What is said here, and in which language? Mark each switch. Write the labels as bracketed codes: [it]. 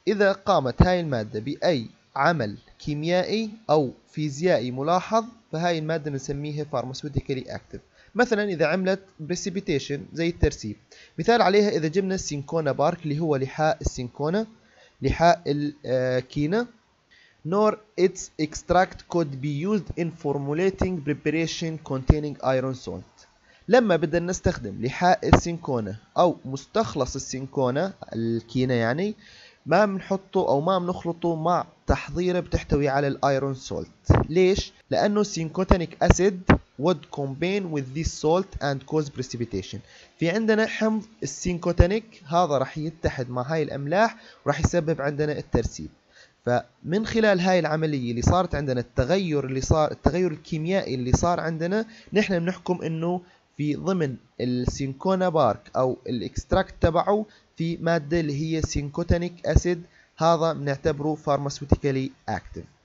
[ar] إذا قامت هاي المادة بأي عمل كيميائي أو فيزيائي ملاحظ، فهاي المادة نسميها فارماسيوتيكالي أكتيف. مثلا إذا عملت precipitation زي الترسيب، مثال عليها إذا جبنا السينكونا بارك اللي هو لحاء السينكونا، لحاء الكينا. [en] Nor its extract could be used in formulating preparation containing iron salt. [ar] لما بدنا نستخدم لحاء السينكونة أو مستخلص السينكونة الكينة يعني، ما بنحطه أو ما بنخلطه مع تحضيره بتحتوي على الايرون سولت. ليش؟ لأنه [en] سينكوتينيك acid would combine with this salt and cause precipitation. [ar] في عندنا حمض السينكوتينيك، هذا راح يتحد مع هاي الأملاح وراح يسبب عندنا الترسيب. فمن خلال هاي العملية اللي صارت عندنا، التغير الكيميائي اللي صار عندنا، نحن بنحكم انه في ضمن السينكونا بارك او الاكستراكت تبعه في مادة اللي هي سينكوتينيك اسيد، هذا بنعتبره فارماسيوتيكالي اكتيف.